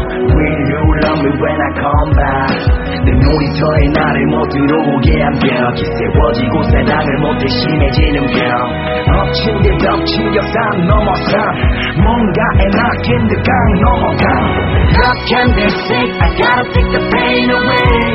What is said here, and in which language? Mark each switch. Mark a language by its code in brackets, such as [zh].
[en] Will you love me when I come back. [ko] 내 놀이터에 나를 못 들어오게 한 겨. 기세워지고 사랑을 못해 심해지는 겨. 엎친 게 덮치려 산 넘어 산. 뭔가에 막힌 듯 강 넘어가. [en] How can they say I gotta take the pain away.